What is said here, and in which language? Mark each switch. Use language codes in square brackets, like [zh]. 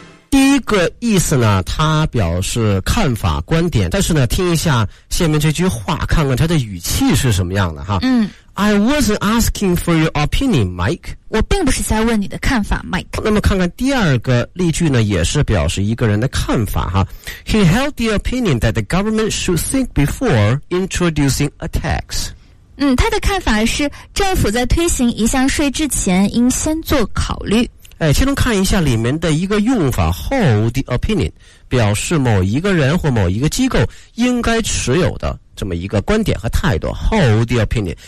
[zh] 第一个意思呢，它表示看法观点，但是呢听一下下面这句话，看看它的语气是什么样的哈。 [en] I wasn't asking for your opinion, Mike. [zh] 我并不是在问你的看法 ,Mike. 那么看看第二个例句呢，也是表示一个人的看法哈。 [en] He held the opinion that the government should think before introducing a tax. [zh] 他的看法是政府在推行一项税之前应先做考虑。哎，先来看一下里面的一个用法 [en] hold the opinion， [zh] 表示某一个人或某一个机构应该持有的这么一个观点和态度 hold the opinion。